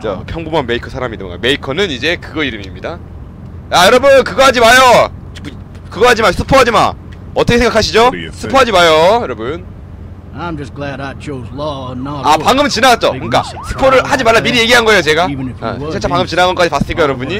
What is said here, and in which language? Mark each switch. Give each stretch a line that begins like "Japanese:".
Korean: 자, 평범한 메이커 사람이던가. 메이커는 이제 그거 이름입니다. 야, 여러분, 그거 하지 마요. 그거 하지 마. 스포 하지 마. 어떻게 생각하시죠? 스포 하지 마요, 여러분.
English: I'm just glad I chose law not.
Korean: 아, 방금 지나갔죠. 그러니까 스포를 하지 말라 미리 얘기한 거예요, 제가. 진짜 방금 지나간 것까지 봤으니까 여러분이.